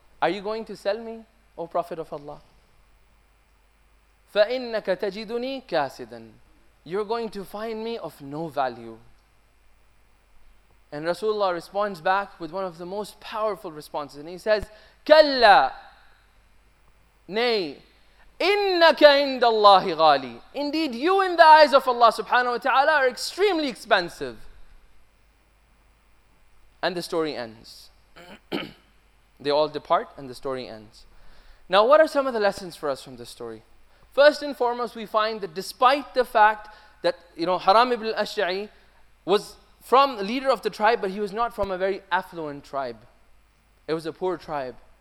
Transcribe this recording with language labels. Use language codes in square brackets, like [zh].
[en] Are you going to sell me, O Prophet of Allah?" [ar] فَإِنَّكَ تَجِدُنِي كَاسِدًا. [en] You're going to find me of no value. And Rasulullah responds back with one of the most powerful responses. And he says, كَلَّا. Nay, [ar] إِنَّكَ عِنْدَ اللَّهِ غَالِي. [en] Indeed, you in the eyes of Allah subhanahu wa ta'ala are extremely expensive. And the story ends. They all depart and the story ends. Now, what are some of the lessons for us from this story? First and foremost, we find that despite the fact that, you know, Haram ibn al-Ash'i was from the leader of the tribe, but he was not from a very affluent tribe. It was a poor tribe.